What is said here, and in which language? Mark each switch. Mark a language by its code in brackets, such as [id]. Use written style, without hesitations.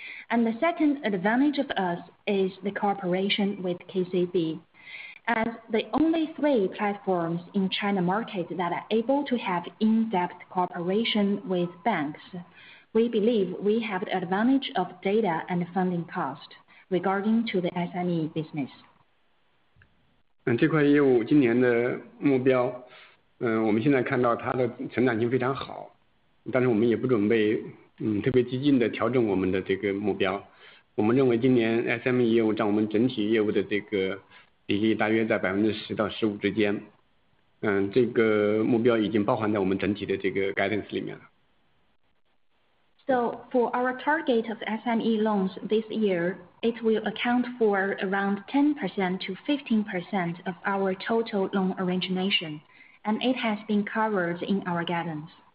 [en] And the second advantage of us is the cooperation with KCB. As the only three platforms in China market that are able to have in-depth cooperation with banks, we believe we have the advantage of data and funding cost regarding to the SME business. [zh] 这块业务今年的目标，我们现在看到它的成长性非常好，但是我们也不准备，特别激进的调整我们的这个目标。我们认为今年 SME 业务占我们整体业务的这个比例大约在10%-15%之间，这个目标已经包含在我们整体的这个 guidance 里面了。 [en] So for our target of SME loans this year, it will account for around 10%-15% of our total loan origination, and it has been covered in our guidance.